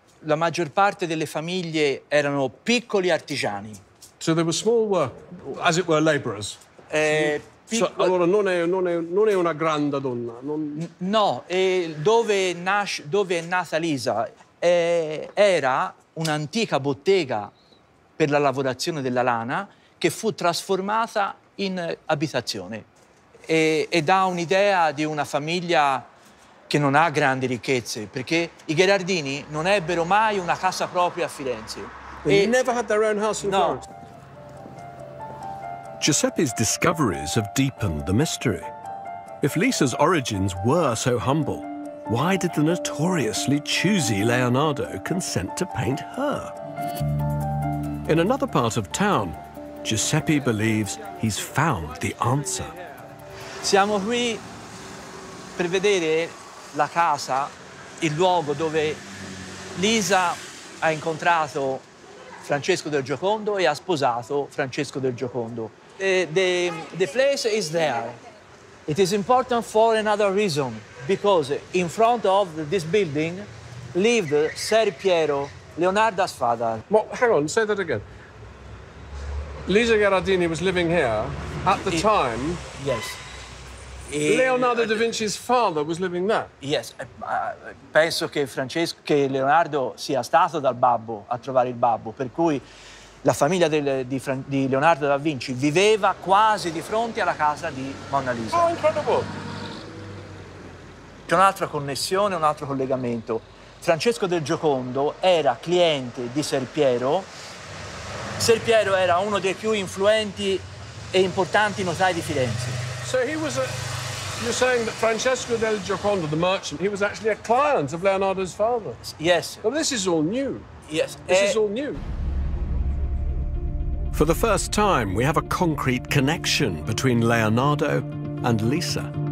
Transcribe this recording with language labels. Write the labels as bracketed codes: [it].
[it] La maggior parte delle famiglie erano piccoli artigiani. [en] So they were small, as it were, laborers. [it] Allora non è una grande donna. No, e dove è nata Lisa? Era un'antica bottega per la lavorazione della lana che fu trasformata in abitazione. E dà un'idea di una famiglia che non ha grandi ricchezze, perché i Gherardini non ebbero mai una casa propria a Firenze. [en] They never had their own house in Florence. Giuseppe's discoveries have deepened the mystery. If Lisa's origins were so humble, why did the notoriously choosy Leonardo consent to paint her? In another part of town, Giuseppe believes he's found the answer. [it] Siamo qui per vedere la casa, il luogo dove Lisa ha incontrato Francesco del Giocondo e ha sposato Francesco del Giocondo. [en] The place is there. It is important for another reason, because in front of this building lived Ser Piero, Leonardo's father. Well, hang on, say that again. Lisa Gherardini was living here at the time. Yes. Leonardo da Vinci's father was living there. Yes, [it] penso che Francesco, che Leonardo sia stato dal babbo a trovare il babbo, per cui la famiglia di Leonardo da Vinci viveva quasi di fronte alla casa di Mona Lisa. Oh, incredibile! C'è un'altra connessione, un altro collegamento. Francesco del Giocondo era cliente di Ser Piero. Ser Piero era uno dei più influenti e importanti notai di Firenze. [en] So he was you're saying that Francesco del Giocondo, the merchant, he was actually a client of Leonardo's father? Yes. Well, this is all new. Yes. This is all new. For the first time, we have a concrete connection between Leonardo and Lisa.